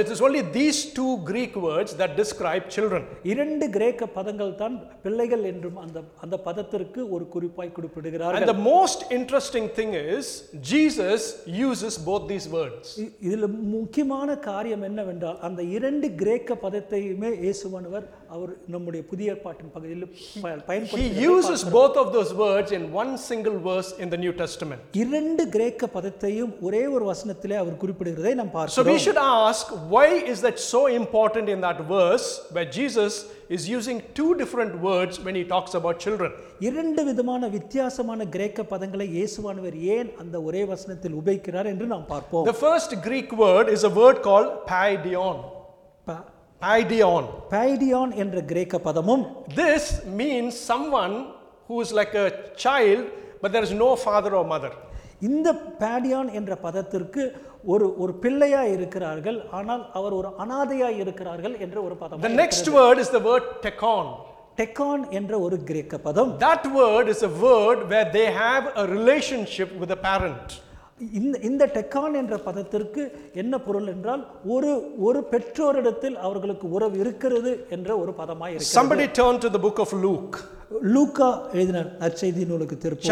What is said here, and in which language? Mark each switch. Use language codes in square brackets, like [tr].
[en] It is only these two Greek words that describe children. [ta] இரண்டு கிரேக்க பதங்கள் தான் பிள்ளைகள் என்றும் அந்த பதத்திற்கு ஒரு குறிப்பாய் குறிப்பிடுகிறார்கள். [en] And the most interesting thing is Jesus uses both these words. [ta] இதில் முக்கியமான காரியம் என்னவென்றால் அந்த இரண்டு கிரேக்க பதத்தையுமே இயேசுவானவர் அவர் நம்முடைய புதிய ஏற்பாட்டின் பகுதியில் பயன்படுத்துகிறார். [en] He uses both of those words in one single verse in the New Testament. [ta] இரண்டு கிரேக்க பதத்தையும் ஒரே ஒரு வசனத்திலே அவர் குறிப்பிடுகிறதை நாம் பார்க்கிறோம். [en] So we should ask, why is that so important in that verse where Jesus is using two different words when he talks about children? [ta] இரண்டு விதமான வித்தியாசமான கிரேக்க பதங்களை இயேசுவானவர் ஏன் அந்த ஒரே வசனத்தில் உபயோகிக்கிறார் என்று நாம் பார்ப்போம். [en] The first Greek word is a word called paideion. [el] Paideion. [ta] Paideion என்ற கிரேக்க பதமும். [en] This means someone who is like a child, but there is no father or mother. [ta] இந்த paideion என்ற பதத்திற்கு ஒரு பிள்ளையா இருக்கிறார்கள், ஆனால் அவர் ஒரு அனாதையா இருக்கிறார்கள் என்ற ஒரு பதம். [en] The next word is the word tekon. [ta] Tekon என்ற ஒரு கிரேக்க பதம். [en] That word is a word where they have a relationship with a parent. [ta] இந்த டெக்கான் என்ற பதத்திற்கு என்ன பொருள் என்றால் ஒரு பெற்றோரிடத்தில் அவர்களுக்கு உறவு இருக்கிறது என்ற ஒரு பதமாய் இருக்கு. [en] Somebody turn to the book of Luke. [ta] லூக்கா எழுதின நற்செய்தி நூலுக்கு திருப்போம்.